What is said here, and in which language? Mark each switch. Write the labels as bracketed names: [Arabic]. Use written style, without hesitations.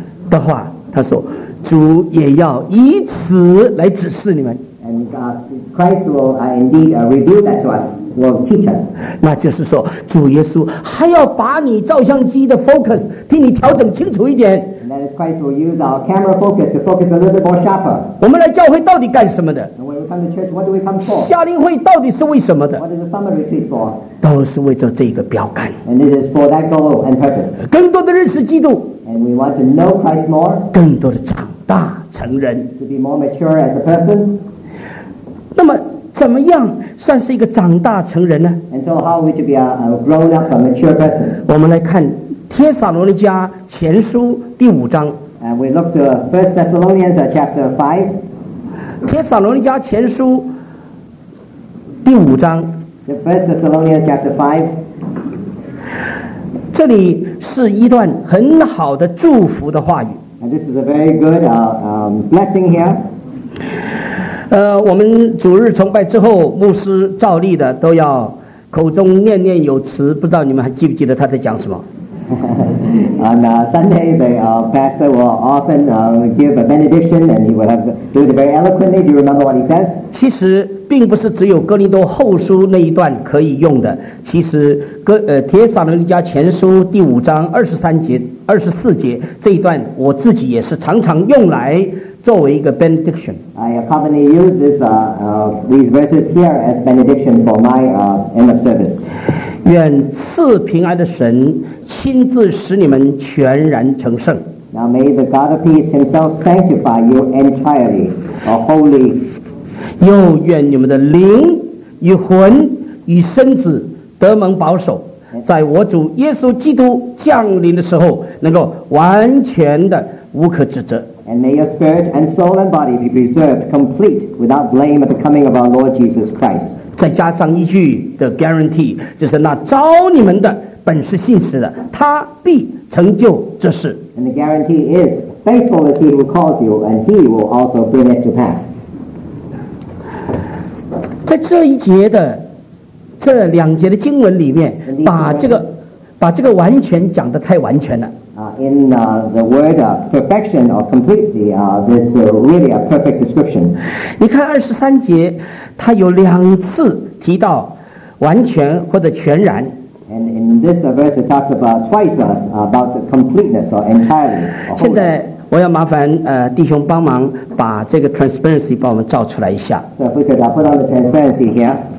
[Chinese] 的话，他说，主也要以此来指示你们。 [English] And Christ will indeed reveal that to us, will teach us. [Chinese] 那就是说，主耶稣还要把你照相机的 focus 替你调整清楚一点。 [English] And Christ will use our camera focus to focus a little bit more sharper. [Chinese] 我们来教会到底干什么的？ [English] Come to church, what do we come for? [Chinese] 夏令会到底是为什么的？ [English] What is the summer retreat for? [Chinese] 都是为着这个标杆。 [English] And it is for that goal and purpose. [Chinese] 更多的认识基督。 [English] And we want to know Christ more. [Chinese] 更多的长大成人。 [English] To be more mature as a person. [Chinese] 那么怎么样算是一个长大成人呢？ [English] And so how are we to be a grown up, a mature person? [Chinese] 我们来看帖撒罗尼迦前书第五章。 [English] And we look to 1 Thessalonians chapter 5. [Chinese] 帖撒罗尼迦前书第五章。 [English] The First Thessalonians chapter 5. [Chinese] 这里是一段很好的祝福的话语。 [English] And this is a very good blessing here. [Chinese] 我们主日崇拜之后，牧师照例的都要口中念念有词，不知道你们还记不记得他在讲什么。 [English] On Sunday, the pastor will often give a benediction, and he will have to do it very eloquently. Do you remember what he says? [Chinese] 其实并不是只有哥林多后书那一段可以用的。其实帖撒罗尼迦前书第五章23节、24节这一段，我自己也是常常用来作为一个 benediction. [English] I commonly use this these verses here as benediction for my end of service. [Chinese] 愿赐平安的神亲自使你们全然成圣。 [English] Now may the God of peace himself sanctify you entirely, or wholly. [Chinese] 又愿你们的灵与魂与身子得蒙保守，在我主耶稣基督降临的时候能够完全的无可指责。 [English] And may your spirit and soul and body be preserved complete without blame at the coming of our Lord Jesus Christ. [Chinese] 再加上一句的 guarantee， 就是那招你们的本是信实的，他必成就这事。 [English] And the guarantee is faithful is he who calls you, and he will also bring it to pass. [Chinese] 在这一节的这两节的经文里面，把这个完全讲得太完全了。 [English] The word of perfection or completely, this is really a perfect description. [Chinese] 你看23节。他有两次提到完全或者全然。 [English] And in this verse, it talks about twice us about the completeness or entirely. [Chinese] 现在我要麻烦弟兄帮忙把这个 transparency 帮我们照出来一下。 [English] So if we could put on the transparency here.